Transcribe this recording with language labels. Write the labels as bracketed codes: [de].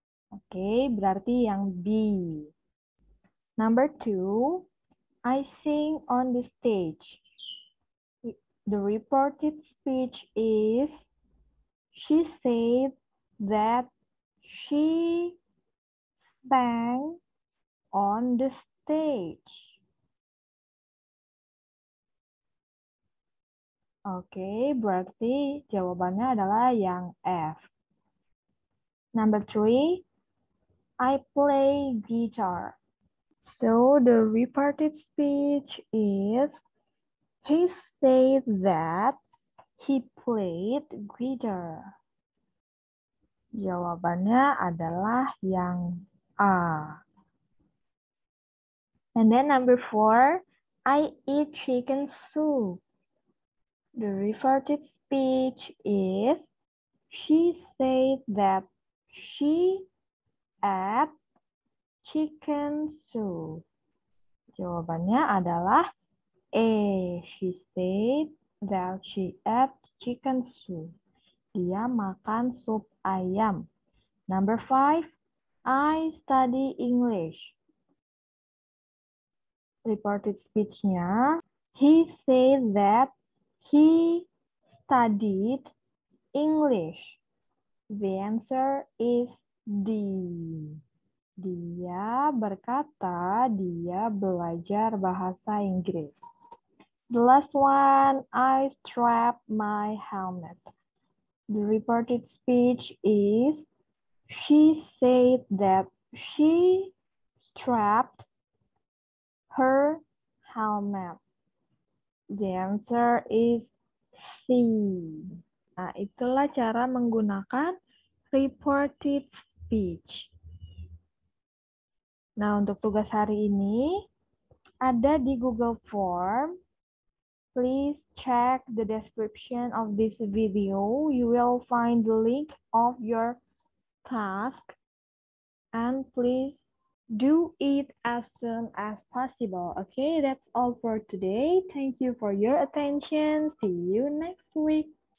[en] Okay, [id] berarti yang B. [en] Number two, I sing on the stage. The reported speech is she said that she sang on the stage. [id] Okay, berarti jawabannya adalah yang F. [en] Number three, I play guitar. So the reported speech is he said that he played guitar. [id] Jawabannya adalah yang A. [en] And then number four, I eat chicken soup. The reported speech is she said that she ate chicken soup. [id] Jawabannya adalah A. [en] She said that she ate chicken soup. [id] Dia makan sup ayam. [en] Number five, I study English. Reported speech-nya, he said that he studied English. The answer is D. [id] Dia berkata dia belajar bahasa Inggris. [en] The last one, I strap my helmet. The reported speech is she said that she strapped her helmet. The answer is C. [id] Nah, itulah cara menggunakan reported speech. Nah, untuk tugas hari ini ada di Google Form. [en] Please check the description of this video. You will find the link of your task. And please do it as soon as possible. Okay, that's all for today. Thank you for your attention. See you next week.